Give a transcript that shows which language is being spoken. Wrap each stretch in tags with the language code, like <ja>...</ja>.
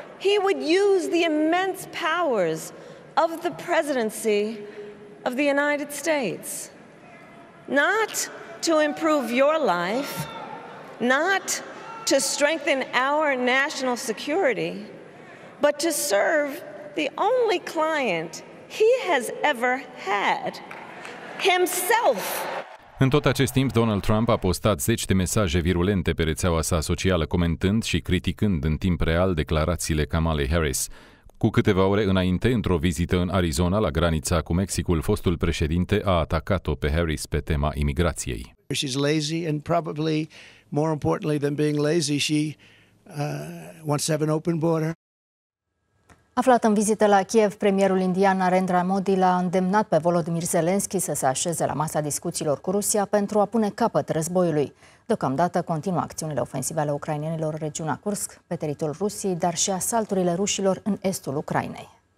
<en>He would use the immense powers of the presidency of the United States, not to improve your life, not to strengthen our national security, but to serve the only client he has ever had, himself.</en> <ro>În tot acest timp, Donald Trump a postat zeci de mesaje virulente pe rețeaua sa socială, comentând și criticând în timp real declarațiile Kamalei Harris. Cu câteva ore înainte, într-o vizită în Arizona, la granița cu Mexicul, fostul președinte a atacat-o pe Harris pe tema imigrației.</ro> <en>She's lazy and probably more importantly than being lazy, she wants to have an open border.</en> <ro>Aflat în vizită la Kiev, premierul indian Narendra Modi l-a îndemnat pe Volodymyr Zelensky să se așeze la masa discuțiilor cu Rusia pentru a pune capăt războiului. Deocamdată continuă acțiunile ofensive ale ucrainienilor în regiunea Kursk, pe teritoriul Rusiei, dar și asalturile rușilor în estul Ucrainei.</ro>